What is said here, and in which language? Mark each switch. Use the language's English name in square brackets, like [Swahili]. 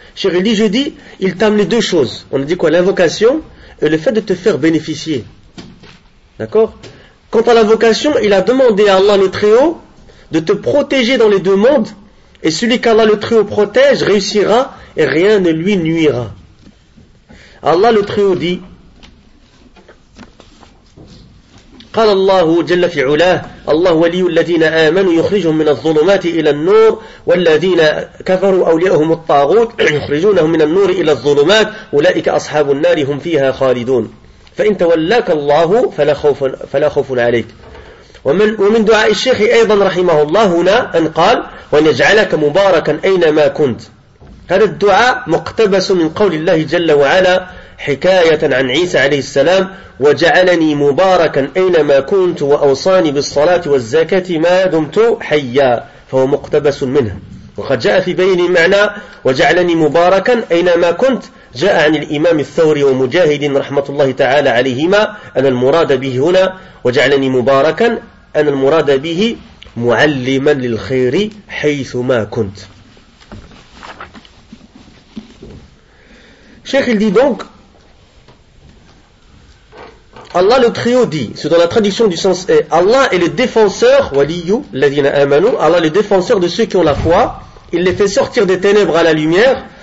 [French] Cher Eli, je dis, il t'a amené deux choses. On a dit quoi? L'invocation et le fait de te faire bénéficier. D'accord? Quant à la vocation, il a demandé à Allah le Très-Haut de te protéger dans les deux mondes, et celui qu'Allah le Très-Haut protège réussira et rien ne lui nuira. Allah le Très-Haut dit: [Arabic] قال الله جل في علاه الله ولي الذين آمنوا يخرجهم من الظلمات إلى النور والذين كفروا أولياؤهم الطاغوت يخرجونهم من النور إلى الظلمات أولئك أصحاب النار هم فيها خالدون فإن تولاك الله فلا خوف عليك. ومن دعاء الشيخ أيضا رحمه الله هنا أن قال: ونجعلك مباركا أينما كنت. هذا الدعاء مقتبس من قول الله جل وعلا حكاية عن عيسى عليه السلام: وجعلني مباركا أينما كنت وأوصاني بالصلاة والزكاة ما دمت حيا. فهو مقتبس منه، وقد جاء في بين معنى وجعلني مباركا أينما كنت جاء عن الإمام الثوري ومجاهد رحمة الله تعالى عليهما أن المراد به هنا وجعلني مباركا أن المراد به معلما للخير حيثما كنت. شيخ الدي دونك [French] Allah le Très-Haut dit, c'est dans la traduction du sens est, Allah est le défenseur, waliyu, ladina amanu, Allah le défenseur de ceux qui ont la foi, il les fait sortir des ténèbres à la lumière.